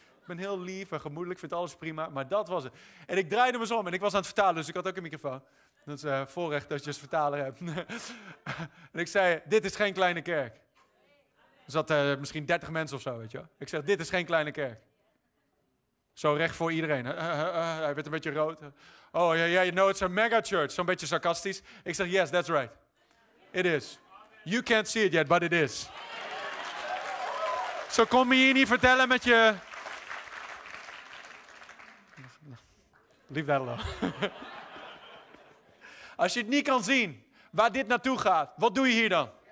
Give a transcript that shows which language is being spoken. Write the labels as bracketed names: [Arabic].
[Dutch] Ik ben heel lief en gemoedelijk, vind alles prima. Maar dat was het. En ik draaide me zo om en ik was aan het vertalen, dus ik had ook een microfoon. Dat is voorrecht dat je als vertaler hebt. En ik zei, dit is geen kleine kerk. Er zat misschien 30 mensen of zo, weet je wel. Ik zeg, dit is geen kleine kerk. Zo recht voor iedereen. Hij werd een beetje rood. [English] Oh, ja, yeah, you know it's a mega church. [Dutch] Zo'n beetje sarcastisch. Ik zeg, [English] yes, that's right. It is. You can't see it yet, but it is. [Dutch] Zo kom je hier niet vertellen met je... [English] Leave that alone. [Dutch] Als je het niet kan zien waar dit naartoe gaat, wat doe je hier dan?